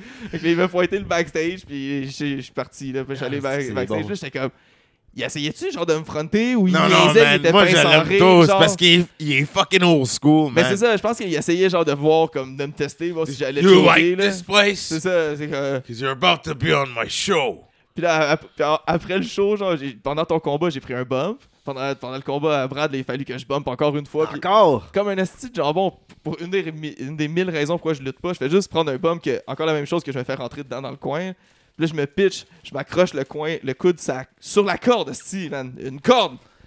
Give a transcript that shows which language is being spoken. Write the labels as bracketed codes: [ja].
[fr] Fait que là, il m'a pointé le backstage, puis je suis parti, là, puis j'allais backstage, bon. Là, j'étais comme, il essayait-tu genre de me fronter ou il non, niaisait, il était pincé en rire? C'est parce qu'il est fucking old school, man. Mais c'est ça, je pense qu'il essayait genre de voir, comme de me tester, voir si j'allais choisir. [en] You like this place? [fr] C'est ça, c'est que... [en] Because you're about to be on my show. [fr] Puis là, après le show, genre, pendant ton combat, j'ai pris un bump. Pendant le combat à Brad, là, il fallu que je bump encore une fois. Encore? Puis, comme un esti de jambon, pour une des mille raisons pourquoi je lutte pas, je fais juste prendre un bump, que encore la même chose que je vais faire rentrer dedans dans le coin. Puis là, je me pitch, je m'accroche le coude sur la corde, sti, man. Une corde.